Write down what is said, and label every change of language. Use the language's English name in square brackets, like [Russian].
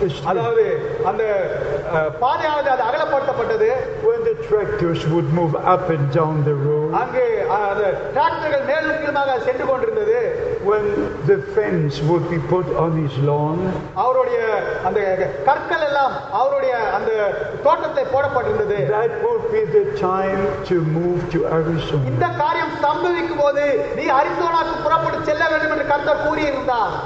[Tamil] அதாவது அந்த பாதையானது அது அகலப்படுத்தப்பட்டது. [English] When the tractors would move up and down the road. [Tamil] அங்கே அந்த டிராக்டர்கள் மேலும் கீழாக சென்று கொண்டிருந்தது. [English] When the fence would be put on his lawn. [Tamil] அவருடைய அந்த கற்கள் எல்லாம் அவருடைய அந்த தோட்டத்தை போடப்பட்டிருந்தது. [English] That would be the time to move to Arizona. [Tamil] இந்த காரியம் சம்பவிக்கும் போது நீ அரிசோனாவுக்கு புறப்பட்டு செல்ல வேண்டும் என்று கர்த்தர் கூறியிருந்தார்.